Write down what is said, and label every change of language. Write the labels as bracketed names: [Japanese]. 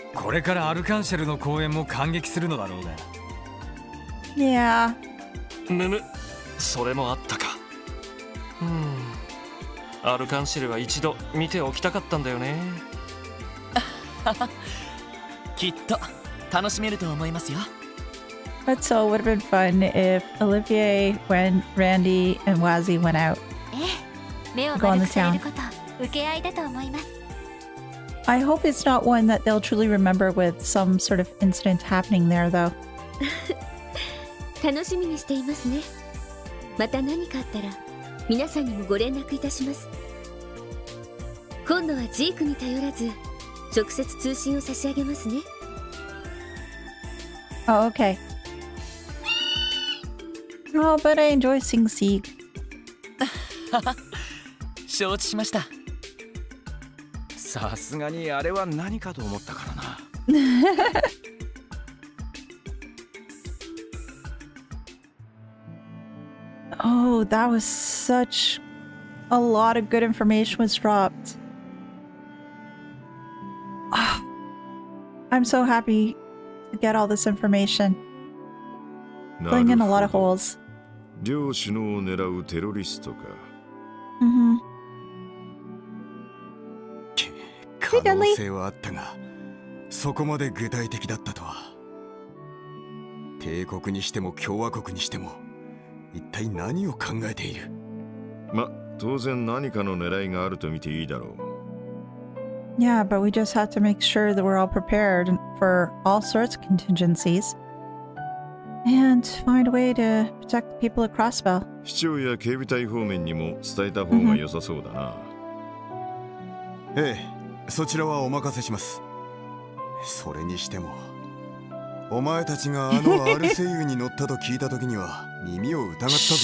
[Japanese] これからアルカンシェルの公演も感激するのだろうね。 [English] Yeah. [Japanese] むむ、それもあったか。アルカンシェルは一度見ておきたかったんだよね。きっと楽しめると思いますよ。 [English] But so it would have been fun if Olivier, when Randy and Wazzy went out. Go on the town. [Japanese] 受け合いだと思います。 [English] I hope it's not one that they'll truly remember with some sort of incident happening there, though. [Japanese] 楽しみにしていますね。また何かあったら皆さんにもご連絡いたします。今度はジークに頼らず直接通信を差し上げますね。 [English] Oh, okay. Oh, but I enjoy seeing Sieg. [Japanese] 承知しました。さすがにあれは何かと思ったからな。 [English] Oh, that was such a lot of good information was dropped. Oh, I'm so happy to get all this information. Filling in a lot of holes. [Japanese] 両首脳を狙うテロリストか。うん。可能性はあったが、そこまで具体的だったとは。帝国にしても共和国にしても、一体何を考えている？ま、当然何かの狙いがあると見ていいだろう。 [English] Yeah, but we just have to make sure that we're all prepared for all sorts of contingencies. And find a way to protect the people at Crossbell. [Japanese] 市長や警備隊方面にも伝えた方が良さそうだな。ええ、そちらはお任せします。それにしても、お前たちがあのアルセイユに乗ったと聞いた時には耳を疑ったぞ。